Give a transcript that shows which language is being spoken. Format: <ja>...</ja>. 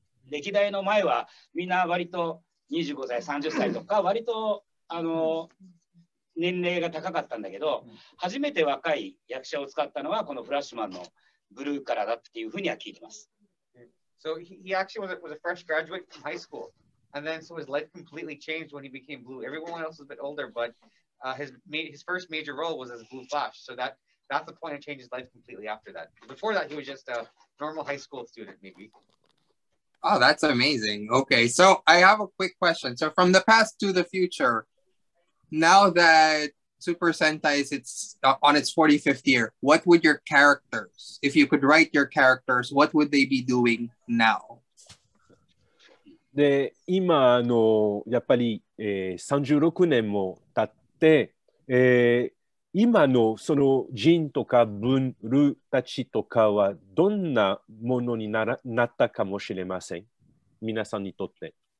<ja>歴代の前はみんな割と25歳、30歳とか割と年齢が高かったんだけど、初めて若い役者を使ったのはこのフラッシュマンのブルーからだっていうふうには聞いてます。</ja> <en>So he actually was a fresh graduate from high school. And then so his life completely changed when he became blue. Everyone else was a bit older, but his first major role was as Blue Flash. So that's the point that changed his life completely after that. Before that, he was just a normal high school student maybe. Oh, that's amazing. Okay, so I have a quick question. So from the past to the future, now that Super Sentai is on its 45th year, what would your characters, if you could write your characters, what would they be doing now?</en> <ja>で、今のやっぱり36年も経って、今のその人とか文るたちとかはどんなものに なったかもしれません。皆さんにとって。</ja>